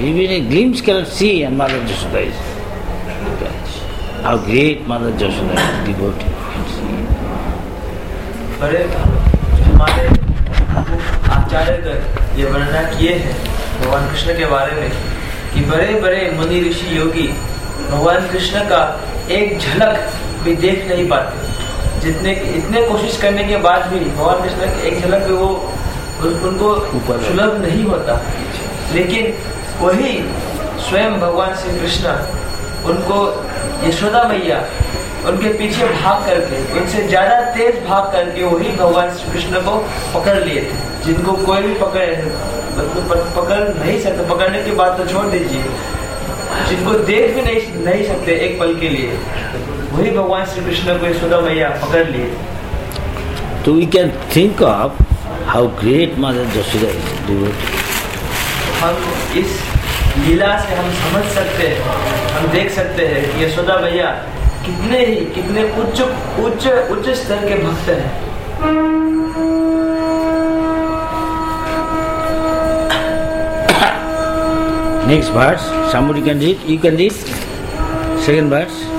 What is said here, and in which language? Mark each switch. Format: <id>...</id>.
<en>Even a glimpse cannot see and Mother Yashoda is catch. How great Mother Yashoda is devotee can see.</en> <hi>अरे हमारे आचार्य कर ये वर्णन किए हैं भगवान कृष्ण के बारे में कि बड़े बड़े मुनि ऋषि योगी भगवान कृष्ण का एक झलक भी देख नहीं पाते जितने इतने कोशिश करने के बाद भी भगवान कृष्ण का एक झलक भी वो उनको सुलभ नहीं होता लेकिन वही स्वयं भगवान श्री कृष्ण उनको यशोदा मैया उनके पीछे भाग करके उनसे ज्यादा तेज भाग करके वही भगवान श्री कृष्ण को पकड़ लिए थे जिनको कोई भी पकड़ नहीं सकते पकड़ने की बात तो छोड़ दीजिए जिनको देख भी नहीं सकते एक पल के लिए वही भगवान श्री कृष्ण को यशोदा मैया पकड़ लिए</hi> <en>तो we can think of How great Mother Yashoda is, devotee.</en> <hi>हम इस लीला से हम समझ सकते हैं, हम देख सकते हैं कि यशोदा भैया कितने ही कितने उच्च उच्च उच्च स्तर के भक्त हैं।</hi> <en>Next verse, somebody can read. You can read second verse.</en>